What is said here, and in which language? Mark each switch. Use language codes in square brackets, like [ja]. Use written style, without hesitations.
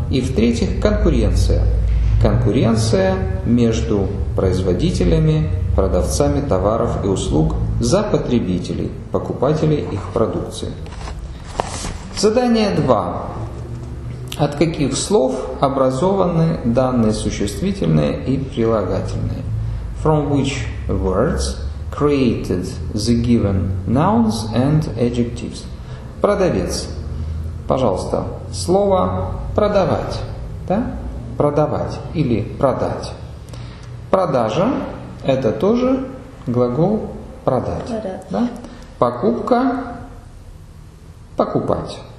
[ru] И в-третьих, конкуренция. Конкуренция между производителями, продавцами товаров и услуг за потребителей, покупателей их продукции. Задание 2. От каких слов образованы данные существительные и прилагательные? [en] From which words created the given nouns and adjectives? [ru] Продавец. Пожалуйста, слово продавать. Да? продавать или продать. Продажа – это тоже глагол продать. Продать. Да? Покупка – покупать.